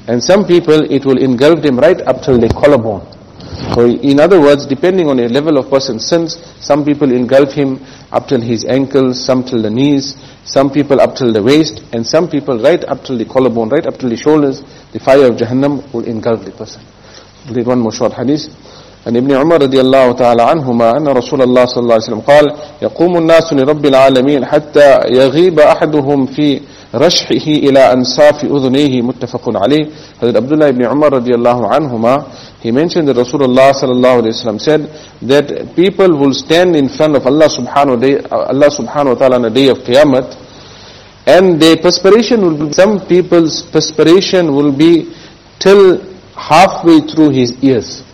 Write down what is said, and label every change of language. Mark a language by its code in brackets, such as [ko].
[en] And some people, it will engulf them right up till their collarbone. So in other words, depending on the level of person's sins, some people engulf him up till his ankles, some till the knees, some people up till the waist, and some people right up till the collarbone, right up till the shoulders, the fire of Jahannam will engulf the person. Read one more short hadith. [ar] عن ابن عمر رضي الله تعالى عنهما أن رسول الله صلى الله عليه وسلم قال يقوم الناس لرب العالمين حتى يغيب أحدهم في رشحه إلى أنصاف أذنيه متفق عليه. [en] حضرت عبد الله بن عمر [ar] رضي الله عنهما, [en] he mentioned that Rasulullah [ar] صلى الله عليه وسلم [en] said that people will stand in front of Allah subhanahu wa ta'ala on the day of Qiyamah, and their perspiration will be, some people's perspiration will be till halfway through his ears.